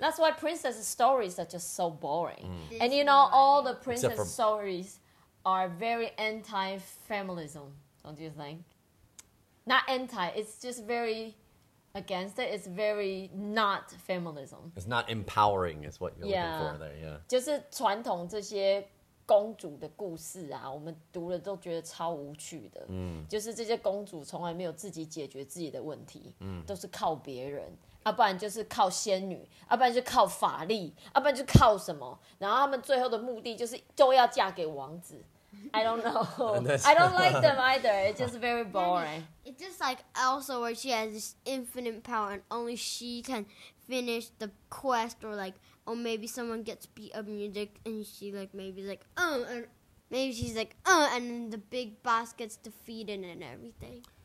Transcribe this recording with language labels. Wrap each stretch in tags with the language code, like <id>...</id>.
<en>That's why princess stories are just so boring. Mm. And you know, all the princess stories are very anti-feminism, don't you think? Not anti, it's just very against it. It's very not feminism. It's not empowering, is what you're looking for there, yeah.</en> <zh>公主的故事啊, 我们读了都觉得超无趣的, 就是这些公主从来没有自己解决自己的问题, 都是靠别人, 不然就是靠仙女, 不然就靠法力, 不然就靠什么, 然后他们最后的目的就是都要嫁给王子,</zh> <en>I don't know. I don't like them either. It's just very boring. It's just like Elsa, where she has this infinite power and only she can finish the quest, or like, or maybe someone gets beat up music and she like maybe like, oh, and maybe she's like, oh, and then the big boss gets defeated and everything.</en>